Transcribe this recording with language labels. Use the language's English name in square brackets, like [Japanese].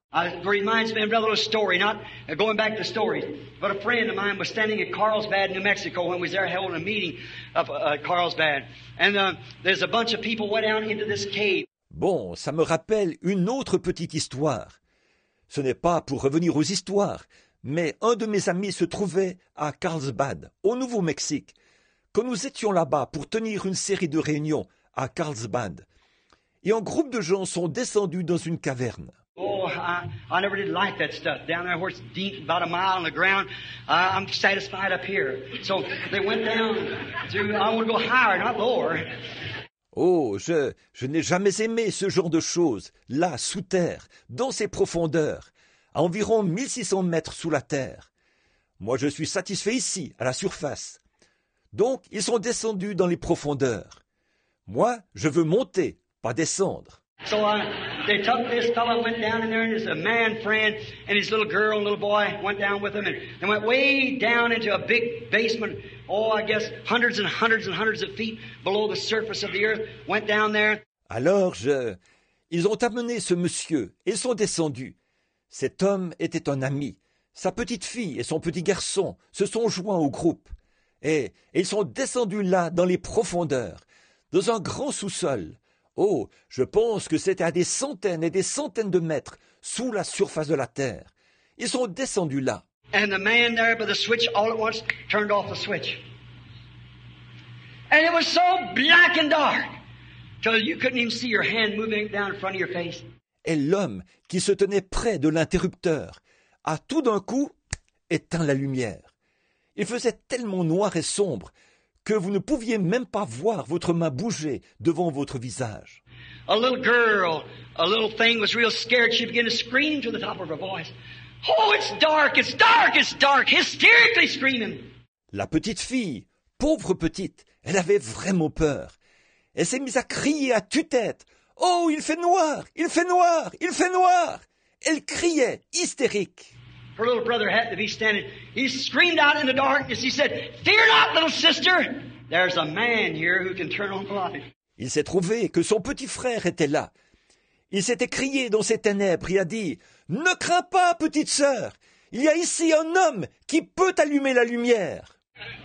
[English] It reminds me of another story, not going back to stories, but a friend of mine was standing at Carlsbad, New Mexico, when we was there holding a meeting up at Carlsbad, and there's a bunch of people went out into this cave. [French] Bon, ça me rappelle une autre petite histoire. Ce n'est pas pour revenir aux histoires, mais un de mes amis se trouvait à Carlsbad, au Nouveau-Mexique, quand nous étions là-bas pour tenir une série de réunions à Carlsbad. Et un groupe de gens sont descendus dans une caverne. [English] I never did like that stuff. Down there where it's deep, about a mile on the ground, I'm satisfied up here. So they went down to, I want to go higher, not lower. [French] Oh, je n'ai jamais aimé ce genre de choses, là, sous terre, dans ces profondeurs, à environ 1600 mètres sous la terre. Moi, je suis satisfait ici, à la surface. Donc, ils sont descendus dans les profondeurs. Moi, je veux monter, pas descendre. [English] So they took this fellow, went down in there, and his man friend and his little girl, little boy, went down with him, and they went way down into a big basement, oh, I guess hundreds and hundreds and hundreds of feet below the surface of the earth, went down there. [French] Alors, ils ont amené ce monsieur et sont descendus. Cet homme était un ami. Sa petite fille et son petit garçon se sont joints au groupe. Et ils sont descendus là, dans les profondeurs, dans un grand sous-sol. Oh, je pense que c'était à des centaines et des centaines de mètres sous la surface de la terre. Ils sont descendus là. [English] And the man there by the switch all at once turned off the switch. And it was so black and dark till you couldn't even see your hand moving down in front of your face. [French] Et l'homme qui se tenait près de l'interrupteur a tout d'un coup éteint la lumière. Il faisait tellement noir et sombre que vous ne pouviez même pas voir votre main bouger devant votre visage. [English] A little girl, a little thing was real scared. She began to scream to the top of her voice. Oh, it's dark, it's dark, it's dark, hysterically screaming. [French] La petite fille, pauvre petite, elle avait vraiment peur. Elle s'est mise à crier à tue-tête. Oh, il fait noir, il fait noir, il fait noir. Elle criait, hystérique. [English] Her little brother had to be standing. He screamed out in the darkness. He said, "Fear not, little sister. There's a man here who can turn on the light." [French] Il s'est trouvé que son petit frère était là. Il s'est écrié dans ses ténèbres. Il a dit, « Ne crains pas, petite sœur. Il y a ici un homme qui peut allumer la lumière. »